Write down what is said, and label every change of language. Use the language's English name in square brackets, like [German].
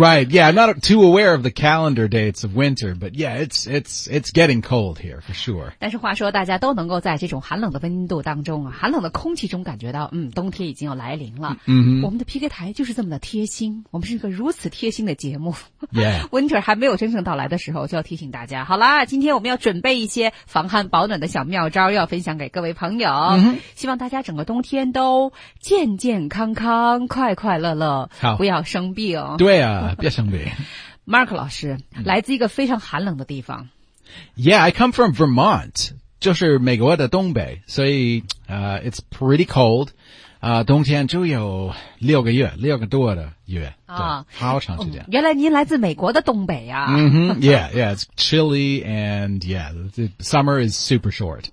[English] Right, yeah, I'm not too aware of the calendar dates of winter, but yeah, it's getting cold here for sure. [Chinese] 但是话说大家都能够在这种寒冷的温度当中，寒冷的空气中感觉到冬天已经要来临了。 Mm-hmm. 我们的 PK 台就是这么的贴心，我们是一个如此贴心的节目。 [English] Yeah. [Chinese] Winter 还没有真正到来的时候，就要提醒大家，好啦，今天我们要准备一些防寒保暖的小妙招，要分享给各位朋友。 Mm-hmm. 希望大家整个冬天都健健康康，快快乐乐，好，不要生病。对啊，别生病。 Mark 老师，来自一个非常寒冷的地方。 [English] Yeah, I come from Vermont, [Chinese] 就是美国的东北，所以 [English] it's pretty cold. [Chinese] 冬天就有六个多的月、好长时间。原来您来自美国的东北啊。 [English] Mm-hmm, yeah, yeah, it's chilly and yeah, the summer is super short.